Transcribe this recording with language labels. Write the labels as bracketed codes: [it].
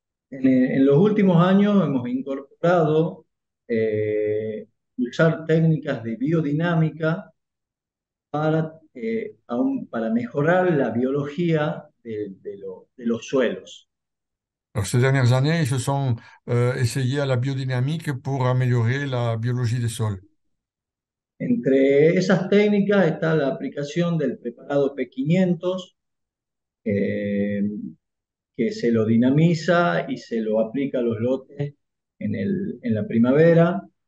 [es] En los últimos años hemos incorporado usar técnicas de biodinámica para mejorar la biología de los suelos. [fr] Alors, ces dernières années, ils se sont essayés à la biodynamique pour améliorer la biologie des sols. [es] Entre esas técnicas está la aplicación del preparado P500, que se lo dinamiza y se lo aplica a los lotes en la primavera.